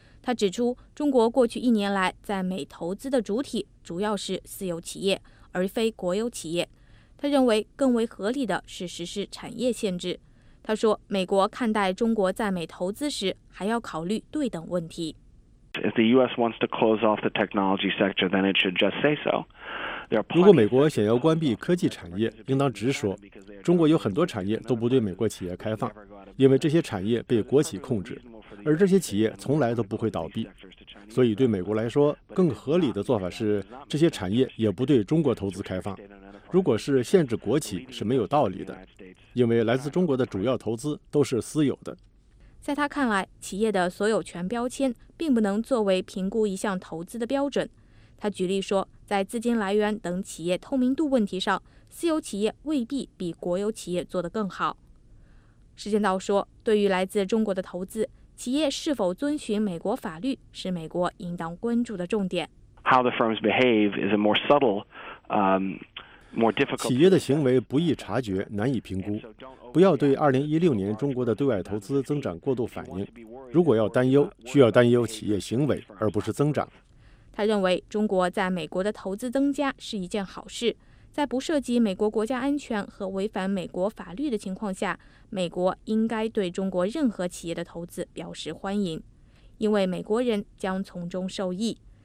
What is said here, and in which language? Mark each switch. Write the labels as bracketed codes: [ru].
[zh] 他指出，中国过去一年来在美投资的主体主要是私有企业，而非国有企业。他认为更为合理的是实施产业限制。他说，美国看待中国在美投资时，还要考虑对等问题。 [en] If the U.S. wants to close off the technology sector, then it should just say so. [zh] 如果美国想要关闭科技产业，应当直说。中国有很多产业都不对美国企业开放，因为这些产业被国企控制，而这些企业从来都不会倒闭。所以对美国来说，更合理的做法是，这些产业也不对中国投资开放。如果是限制国企是没有道理的，因为来自中国的主要投资都是私有的。在他看来，企业的所有权标签并不能作为评估一项投资的标准。他举例说，在资金来源等企业透明度问题上，私有企业未必比国有企业做得更好。石建道说，对于来自中国的投资，企业是否遵循美国法律是美国应当关注的重点。 [en] How the firms behave is a more subtle, more difficult. [zh] 企业的行为不易察觉，难以评估。不要对2016年中国的对外投资增长过度反应。如果要担忧，需要担忧企业行为，而不是增长。他认为，中国在美国的投资增加是一件好事。在不涉及美国国家安全和违反美国法律的情况下，美国应该对中国任何企业的投资表示欢迎，因为美国人将从中受益。